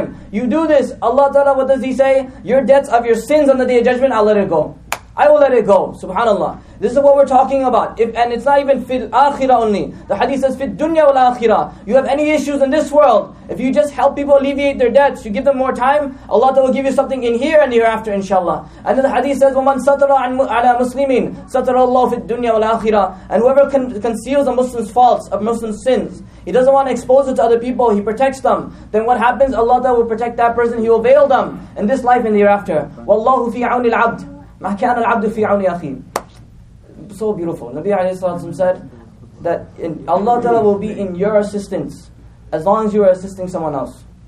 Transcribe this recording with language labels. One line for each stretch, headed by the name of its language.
English: You do this, Allah Ta'ala, what does He say? Your debts of your sins on the Day of Judgment, I'll let it go. I will let it go. Subhanallah. This is what we're talking about. And it's not even fit akhirah only. The hadith says
Arabic: fit dunya wal akhirah.
English: You have any issues in this world, if you just help people alleviate their debts, you give them more time, Allah will give you something in here and hereafter, inshallah.
Arabic: And then the hadith says, وَمَنْ سَتَرَ عَلَى مُسْلِمِينَ سَتَرَ اللَّهُ فِي الدُّنْيَا وَالْآخِرَةِ.
English: And whoever conceals a Muslim's faults, a Muslim's sins, he doesn't want to expose it to other people, he protects them. Then what happens? Allah will protect that person, he will veil them in this life and hereafter.
Arabic: وَاللَّهُ فِي عَوْنِ الْعَبْدِ مَا كَانَ الْعَبْدُ فِي عَوْنِ أَخِيمٍ.
English: So beautiful. Nabi alayhi salam said that Allah will be in your assistance as long as you are assisting someone else.